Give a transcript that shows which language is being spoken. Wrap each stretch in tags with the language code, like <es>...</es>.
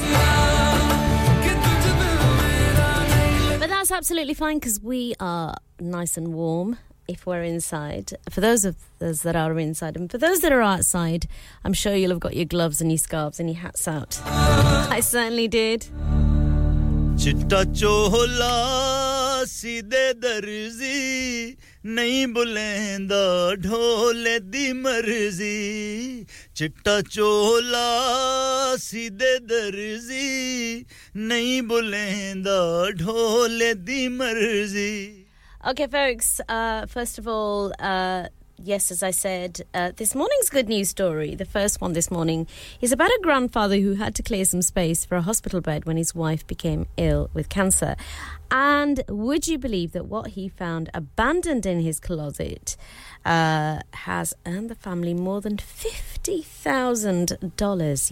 <en>But that's absolutely fine because we are nice and warm if we're inside. For those of us that are inside and for those that are outside, I'm sure you'll have got your gloves and your scarves and your hats out. I certainly did.</en> <pa>Chitta chola side darzi ਨਹੀਂ ਬੁਲੈਂਦਾ ਢੋਲੇ ਦੀ ਮਰਜ਼ੀ ਚਿੱਟਾ ਚੋਲਾ ਸਿੱਧੇ ਦਰਜ਼ੀ ਨਹੀਂ ਬੁਲੈਂਦਾ ਢੋਲੇ ਦੀ ਮਰਜ਼ੀ</pa> <en>Okay folks first of all Yes, as I said, this morning's good news story, the first one this morning, is about a grandfather who had to clear some space for a hospital bed when his wife became ill with cancer. And would you believe that what he found abandoned in his closet has earned the family more than $50,000?</en>